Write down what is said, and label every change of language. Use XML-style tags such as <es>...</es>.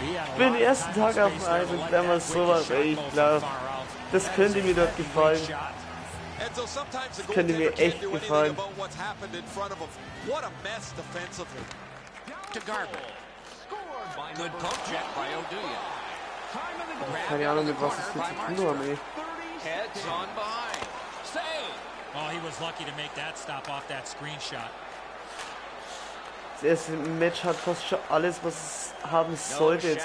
<de>Ich bin ersten Tag auf dem Eis und dann mal sowas. Ey, ich glaube, das könnte mir dort gefallen. Das könnte mir echt gefallen.</de> <en>What a mess defensively. To Garber.</en> <de>Keine Ahnung, mit was ich jetzt zu tun habe.</de> <en>Heads on behind. Oh, he was lucky to make that stop off that screenshot.</en> <de>Das erste Match hat fast schon alles, was es haben sollte.</de>